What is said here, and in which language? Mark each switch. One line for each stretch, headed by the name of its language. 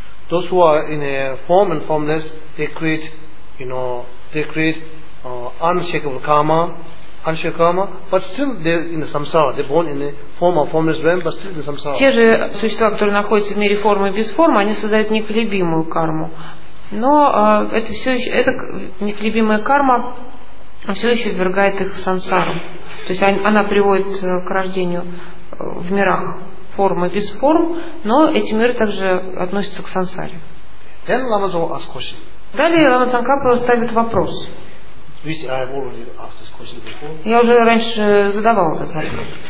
English: Those who are in a form and formless, they create, you know, they create unshakable karma, but still they're in the samsara. They're born in a form of formless realm, but still in the samsara.
Russian: Те же существа, которые находятся в мире формы и без формы, они создают непоколебимую карму. Но это все еще, эта непоколебимая карма все еще ввергает их в сансару. То есть она приводит к рождению в мирах формы без форм, но эти миры также относятся к сансаре.
English: Then Lama Tsongkhapa asks question.
Russian: Далее Лама Цанкапа ставит вопрос.
English: Which I have already asked this question before.
Russian: Я уже раньше задавал этот вопрос.